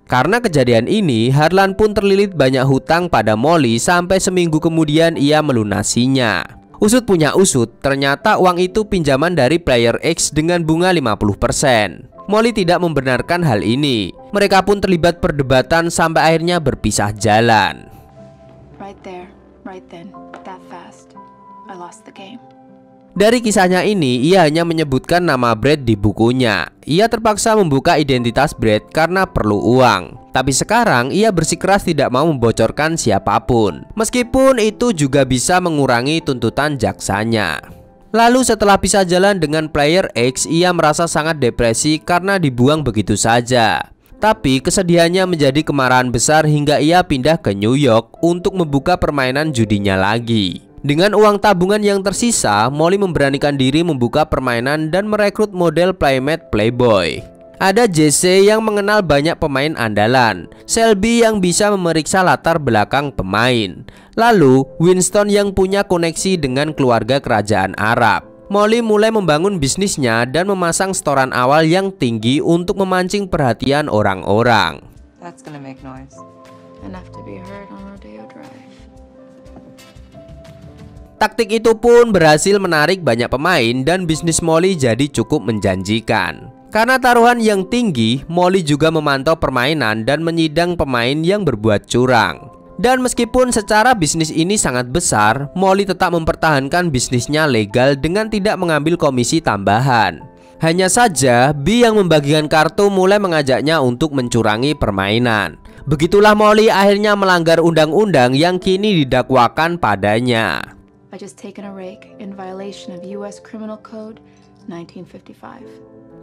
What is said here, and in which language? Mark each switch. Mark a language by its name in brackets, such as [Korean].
[Indonesian] Karena kejadian ini, Harlan pun terlilit banyak hutang pada Molly sampai seminggu kemudian ia melunasinya. Usut punya usut, ternyata uang itu pinjaman dari player X dengan bunga 50%. Molly tidak membenarkan hal ini. Mereka pun terlibat perdebatan sampai akhirnya berpisah jalan. [English] Right there, right then, that fast. I lost the game. [Indonesian] Dari kisahnya ini, ia hanya menyebutkan nama Brad di bukunya. Ia terpaksa membuka identitas Brad karena perlu uang. Tapi sekarang, ia bersikeras tidak mau membocorkan siapapun. Meskipun itu juga bisa mengurangi tuntutan jaksanya. Lalu setelah pisah jalan dengan player X, ia merasa sangat depresi karena dibuang begitu saja. Tapi kesedihannya menjadi kemarahan besar hingga ia pindah ke New York untuk membuka permainan judinya lagi. Dengan uang tabungan yang tersisa, Molly memberanikan diri membuka permainan dan merekrut model playmate Playboy. Ada Jesse yang mengenal banyak pemain andalan, Selby yang bisa memeriksa latar belakang pemain, lalu Winston yang punya koneksi dengan keluarga kerajaan Arab. Molly mulai membangun bisnisnya dan memasang setoran awal yang tinggi untuk memancing perhatian orang-orang. [English] That's gonna make noise. Enough to be heard on Rodeo Drive. [Indonesian] Taktik itu pun berhasil menarik banyak pemain dan bisnis Molly jadi cukup menjanjikan. Karena taruhan yang tinggi, Molly juga memantau permainan dan menyidang pemain yang berbuat curang. Dan meskipun secara bisnis ini sangat besar, Molly tetap mempertahankan bisnisnya legal dengan tidak mengambil komisi tambahan. Hanya saja, B yang membagikan kartu mulai mengajaknya untuk mencurangi permainan. Begitulah Molly akhirnya melanggar undang-undang yang kini didakwakan padanya. [English] I just taken a rake in violation of US Criminal Code 1955.